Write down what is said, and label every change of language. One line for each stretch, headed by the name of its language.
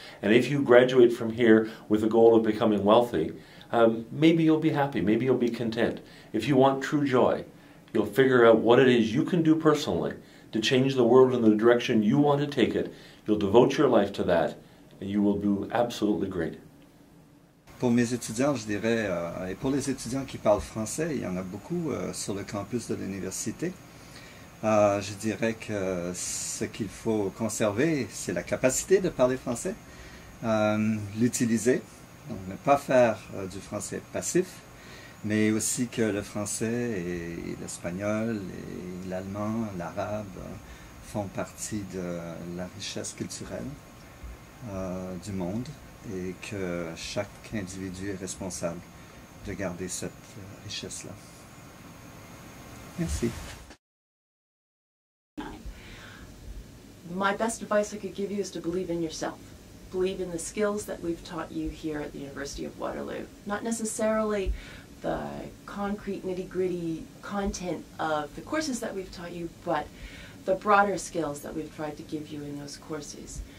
English: And if you graduate from here with the goal of becoming wealthy, maybe you'll be happy, maybe you'll be content. If you want true joy, you'll figure out what it is you can do personally to change the world in the direction you want to take it. You'll devote your life to that, and you will do absolutely great.
French: Pour mes étudiants, je dirais, et pour les étudiants qui parlent français, il y en a beaucoup sur le campus de l'université, je dirais que ce qu'il faut conserver, c'est la capacité de parler français, l'utiliser, donc ne pas faire du français passif, mais aussi que le français et l'espagnol et l'allemand, l'arabe font partie de la richesse culturelle du monde. Et que chaque individu est responsable de garder cette richesse-là. Merci.
English: My best advice I could give you is to believe in yourself. Believe in the skills that we've taught you here at the University of Waterloo. Not necessarily the concrete, nitty-gritty content of the courses that we've taught you, but the broader skills that we've tried to give you in those courses.